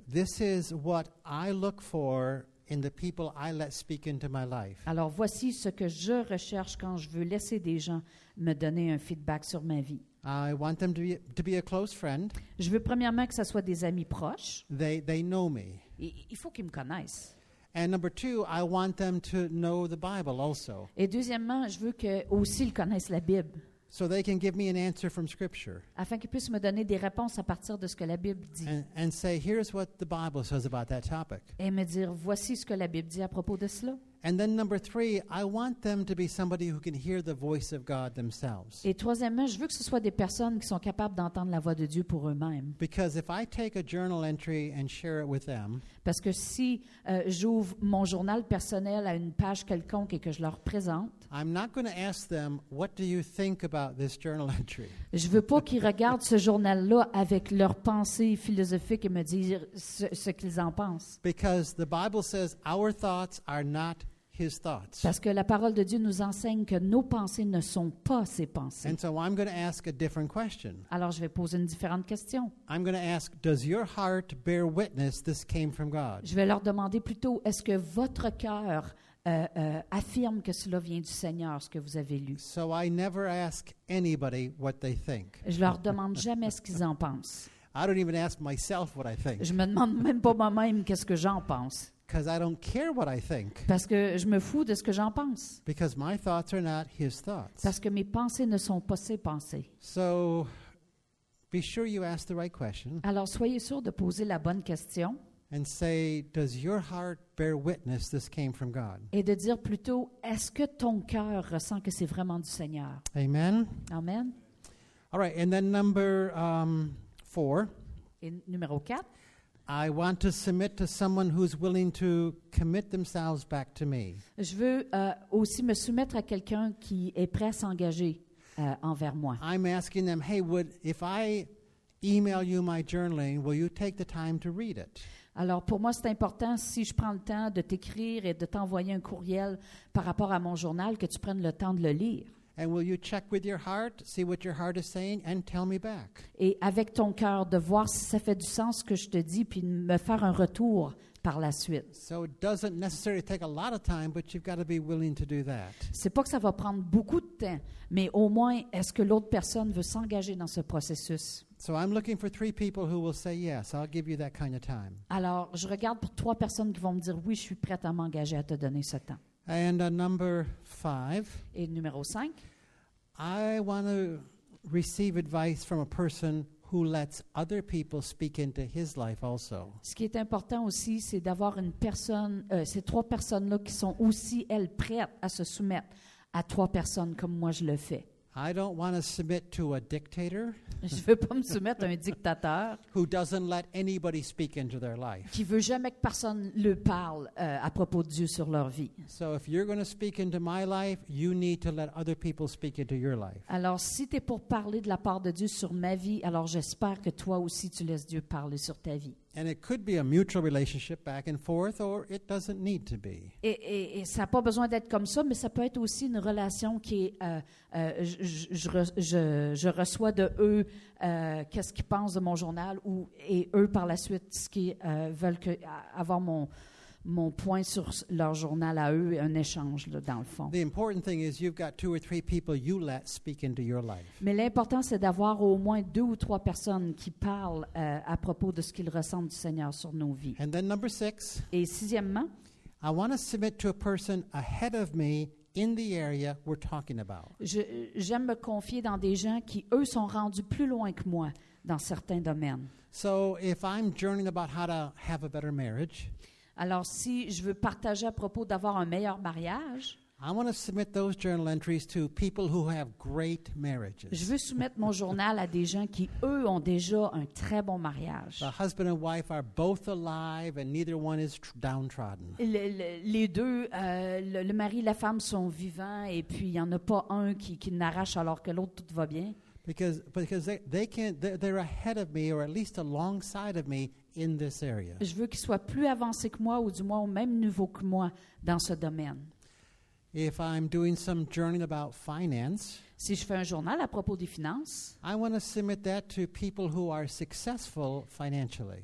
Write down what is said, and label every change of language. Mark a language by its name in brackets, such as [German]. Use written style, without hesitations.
[English] This is what I look for in the people I let speak into my life. [French] Alors, voici ce que je recherche quand je veux laisser des gens me donner un feedback sur ma vie. [English] I want them to be a close friend. [French] Je veux premièrement que ça soit des amis proches. [English] They know me. [French] Il faut qu'ils me connaissent. [English] And number two, I want them to know the Bible also. [French] Et deuxièmement, je veux que aussi ils connaissent la Bible. [English] So they can give me an answer from Scripture. [French] Afin qu'ils puissent me donner des réponses à partir de ce que la Bible dit. [English] And say, here's what the Bible says about that topic. [French] Et me dire, voici ce que la Bible dit à propos de cela. [English] And then number three, I want them to be somebody who can hear the voice of God themselves. [French] Et troisièmement, je veux que ce soit des personnes qui sont capables d'entendre la voix de Dieu pour eux-mêmes. [English] Because if I take a journal entry and share it with them, [French] parce que si j'ouvre mon journal personnel à une page quelconque et que je leur présente, [English] I'm not going to ask them, what do you think about this journal entry? [French] Je veux pas qu'ils regardent ce journal-là avec leurs pensées philosophiques et me disent ce qu'ils en pensent. [English] Because the Bible says our thoughts are not His thoughts. [French] Parce que la parole de Dieu nous enseigne que nos pensées ne sont pas ses pensées. [English] And so I'm going to ask a different question. [French] Alors je vais poser une différente question. [English] I'm going to ask, does your heart bear witness this came from God? [French] Je vais leur demander plutôt, est-ce que votre cœur affirme que cela vient du Seigneur, ce que vous avez lu. [English] So I never ask anybody what they think. [French] Je leur demande jamais ce qu'ils en pensent. [English] I don't even ask myself what I think. [French] Je me demande même pas moi-même qu'est-ce que j'en pense. [English] Because I don't care what I think. [French] Parce que je me fous de ce que j'en pense. [English] Because my thoughts are not his thoughts. [French] Parce que mes pensées ne sont pas ses pensées. [English] So, be sure you ask the right question. [French] Alors soyez sûr de poser la bonne question. [English] And say, does your heart bear witness this came from God? [French] Et de dire plutôt, est-ce que ton cœur ressent que c'est vraiment du Seigneur? [English] Amen. [French] Amen. [English] All right, and then number four. [French] Et numéro quatre. [English] I want to submit to someone who's willing to commit themselves back to me. [French] Je veux aussi me soumettre à quelqu'un qui est prêt à s'engager envers moi. [English] I'm asking them, hey, would if I email you my journaling, will you take the time to read it? [French] Alors pour moi, c'est important si je prends le temps de t'écrire et de t'envoyer un courriel par rapport à mon journal que tu prennes le temps de le lire. [English] And will you check with your heart, see what your heart is saying, and tell me back? [French] Et avec ton cœur, de voir si ça fait du sens ce que je te dis, puis me faire un retour par la suite. [English] So it doesn't necessarily take a lot of time, but you've got to be willing to do that. [French] C'est pas que ça va prendre beaucoup de temps, mais au moins, est-ce que l'autre personne veut s'engager dans ce processus? [English] So I'm looking for three people who will say yes. I'll give you that kind of time. [French] Alors, je regarde pour trois personnes qui vont me dire oui, je suis prête à m'engager à te donner ce temps. [English] And number five. [French] Et numéro cinq. [English] I want to receive advice from a person who lets other people speak into his life also. [French] Ce qui est important aussi, c'est d'avoir une personne, ces trois personnes-là qui sont aussi, elles, prêtes à se soumettre à trois personnes comme moi je le fais. [English] I don't want to submit to a dictator. [French] Je veux pas me soumettre à un dictateur. [English] Who doesn't let anybody speak into their life. [French] Qui veut jamais que personne le parle à propos de Dieu sur leur vie. [English] So if you're going to speak into my life, you need to let other people speak into your life. [French] Alors si tu es pour parler de la part de Dieu sur ma vie, alors j'espère que toi aussi tu laisses Dieu parler sur ta vie. [English] And it could be a mutual relationship back and forth, or it doesn't need to be. [French] Et ça n'a pas besoin d'être comme ça, mais ça peut être aussi une relation qui est, je reçois de eux qu'est-ce qu'ils pensent de mon journal, ou, et eux par la suite, ce qu'ils veulent que, avoir mon point sur leur journal à eux, un échange là, dans le fond. [English] The important thing is you've got two or three people you let speak into your life. [French] Mais l'important c'est d'avoir au moins deux ou trois personnes qui parlent à propos de ce qu'ils ressentent du Seigneur sur nos vies. [English] And then number six. [French] Et sixièmement, [English] I want to submit to a person ahead of me in the area we're talking about. [French] J'aime me confier dans des gens qui eux sont rendus plus loin que moi dans certains domaines. [English] So if I'm journeying about how to have a better marriage. [French] Alors, si je veux partager à propos d'avoir un meilleur mariage, [English] I want to submit those journal entries to people who have great marriages. [French] Je veux soumettre mon journal à des gens qui, eux, ont déjà un très bon mariage. [English] The husband and wife are both alive and neither one is downtrodden. [French] Les deux, le mari et la femme sont vivants et puis il n'y en a pas un qui n'arrache alors que l'autre, tout va bien. [English] Because they're ahead of me or at least alongside of me in this area. [French] Je veux qu'ils soient plus avancés que moi ou du moins au même niveau que moi dans ce domaine. [English] If I'm doing some journaling about finance, [French] si je fais un journal à propos des finances, [English] I want to submit that to people who are successful financially.